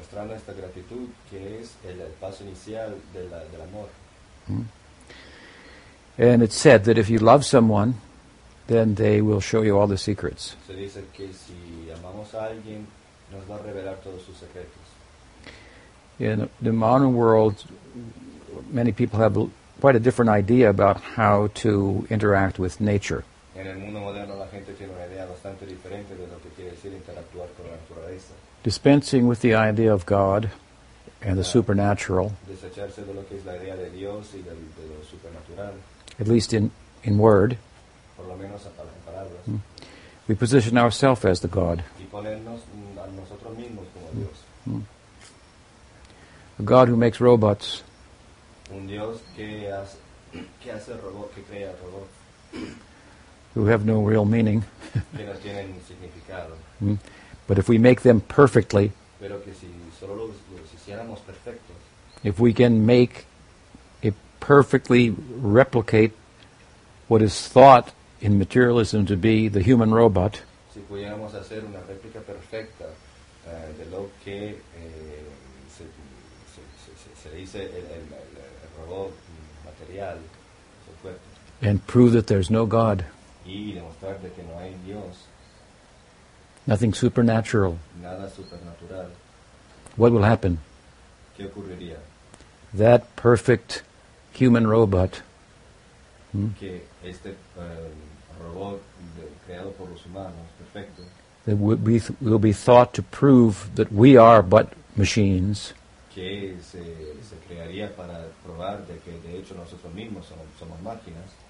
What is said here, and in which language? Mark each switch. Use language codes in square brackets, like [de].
[es] Esta gratitud que es el paso inicial del amor. [en] And it's said that if you love someone, then they will show you all the secrets. [es] Se dice que si amamos a alguien, nos va a revelar todos sus secretos. [en] In the modern world, many people have quite a different idea about how to interact with nature. [es] En el mundo moderno, la gente tiene una idea bastante diferente de lo que quiere decir interactuar con la naturaleza. [en] Dispensing with the idea of God and the supernatural, [es] desecharse de lo que es la idea de Dios y de lo supernatural, [en] at least in word, [es] por lo menos en palabras, [en] we position ourselves as the God. [es] Y ponernos a nosotros mismos como Dios. [en] A God who makes robots. [es] Un Dios que que hace el robot, que crea el robot. [en] Who have no real meaning. [es] Que no tienen significado. [en] But if we make them perfectly, [es] pero que si solo los hiciéramos perfectos, [en] if we can make it perfectly replicate what is thought in materialism to be the human robot, [es] si pudiéramos hacer una réplica perfecta de lo que se dice el robot material, [en] and prove that there's no God. [es] Y demostrar de que no hay Dios. [en] Nothing supernatural. [es] Nada supernatural. [en] What will happen? [es] ¿Qué ocurriría? [en] That perfect human robot. [es] Que este robot creado por los humanos, perfecto. [en] That will be thought to prove that we are but machines. [es] Que se crearía para probar de que de hecho nosotros mismos somos máquinas.